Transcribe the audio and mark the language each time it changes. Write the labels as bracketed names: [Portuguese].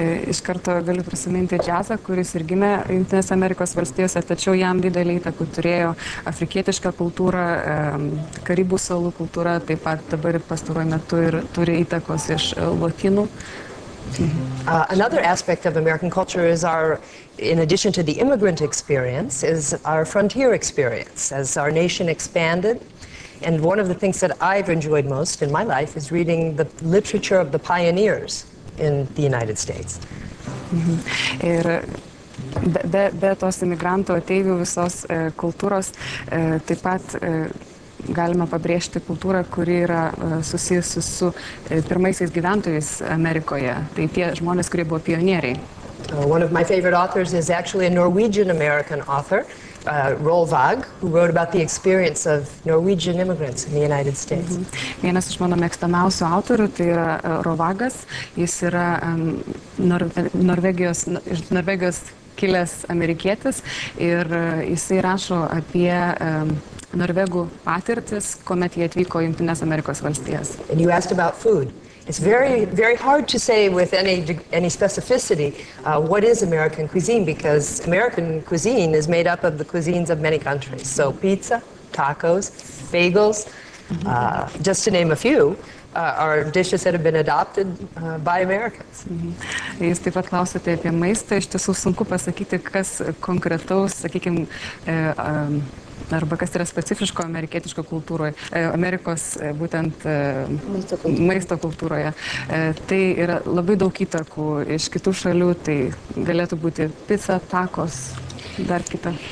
[Lithuanian] Iš karto galiu prisiminti džiazą, kuris ir gimė Jungtinės Amerikos valstijose, tačiau jam didelį įtaką turėjo afrikietišką kultūrą, Karibų salų kultūrą, taip pat dabar pastaruoju metu ir turi įtakos iš lotynų. [English] Another aspect of American culture is our, in addition to the immigrant experience, is our frontier experience as our nation expanded. And one of the things that I've enjoyed most in my life is reading the literature of the pioneers in the United States. [Lithuanian] Ir be tos imigrantų ateivių visos kultūros, taip pat galima pabrėžti kultūrą, kuri yra susijusi su pirmaisiais gyventojais Amerikoje. Tai tie žmonės, kurie buvo pionieriai. [English] One of my favorite authors is actually a Norwegian-American author, Rolvag, who wrote about the experience of Norwegian immigrants in the United States. [Lithuanian] Vienas iš mano mėgstamiausių autorių, tai yra Rolvagas. Jis yra Norvegijos kilęs amerikietis ir jisai rašo apie Norvegų patirtis, kuomet jie atvyko į Jungtinės Amerikos valstijas. [English] And you asked about food. It's very, very hard to say with any specificity what is American cuisine, because American cuisine is made up of the cuisines of many countries. So pizza, tacos, bagels, just to name a few, are dishes that have been adopted by Americans. [Lithuanian] Jūs taip pat klausote apie maistą. Iš tiesų sunku pasakyti, kas konkretaus, sakykim, arba kas yra specifiško amerikietiško kultūroje, Amerikos būtent maisto kultūroje. Tai yra labai daug įtakų iš kitų šalių, tai galėtų būti pizza, tacos, dar kita.